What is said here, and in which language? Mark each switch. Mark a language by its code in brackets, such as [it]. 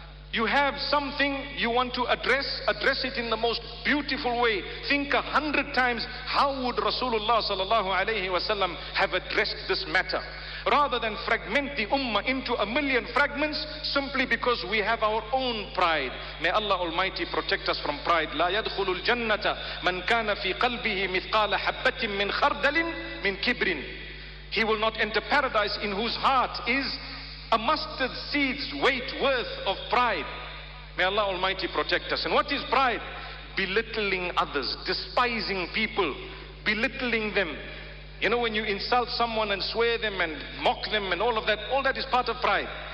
[en] You have something you want to address, address it in the most beautiful way. Think 100 times, how would Rasulullah sallallahu alayhi wa sallam have addressed this matter? Rather than fragment the ummah into 1 million fragments simply because we have our own pride. May Allah Almighty protect us from pride. [ar] لا يدخل الجنة من كان في قلبه مثقال حبة من خردل من كبر. [en] He will not enter paradise in whose heart is a mustard seed's weight worth of pride. May Allah Almighty protect us. And what is pride? Belittling others, despising people, belittling them, You know, when you insult someone and swear them and mock them and all that is part of pride.